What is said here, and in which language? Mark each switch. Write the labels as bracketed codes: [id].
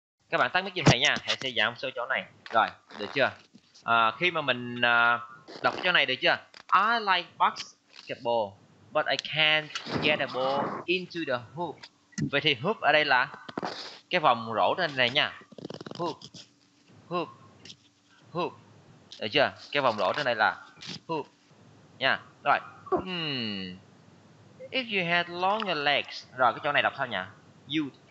[vi] Các bạn tắt mic giùm thầy nha, thầy sẽ giảm số chỗ này. Rồi, được chưa? À, khi mà mình đọc chỗ này được chưa? [en] I like basketball, but I can't get the ball into the hoop. [vi] Vậy thì hoop ở đây là cái vòng rổ trên này nha. Hoop, hoop, hoop. Được chưa? Cái vòng rổ trên này là hoop. Nha, rồi. [en] If you had longer legs. [vi] Rồi cái chỗ này đọc sao nhỉ?